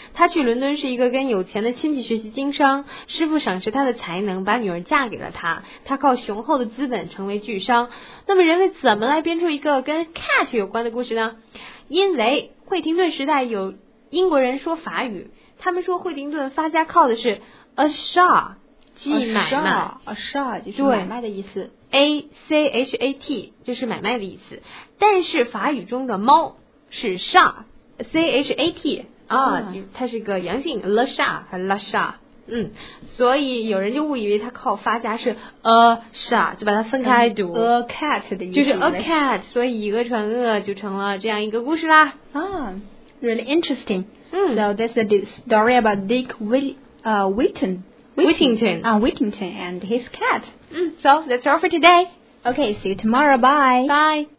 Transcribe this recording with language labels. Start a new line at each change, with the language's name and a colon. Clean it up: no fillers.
Chinese: 他去伦敦是一个跟有钱的亲戚学习经商，师父赏识他的才能，把女儿嫁给了他，他靠雄厚的资本成为巨商。那么人们怎么来编出一个跟 cat 有关的故事呢？因为惠廷顿时代有英国人说法语，他们说惠廷顿发家靠的是 a shaw， 即买卖。 a shaw 就是买卖的意思， a c h a t 就是买卖的意思。 但是法语中的猫是 shaw， c h a t 啊，它是个阳性 le shaw 和 la shaw。嗯，所以有人就误以为他靠发家是 a shaw， 就把它分开读、 a cat 的意思，就是 a cat。所以以讹传讹就成了这样一个故事啦。
English: 啊，Really interesting. So that's the story about Dick Whittington. Whittington and his cat. So that's all for today. Okay, see you tomorrow. Bye.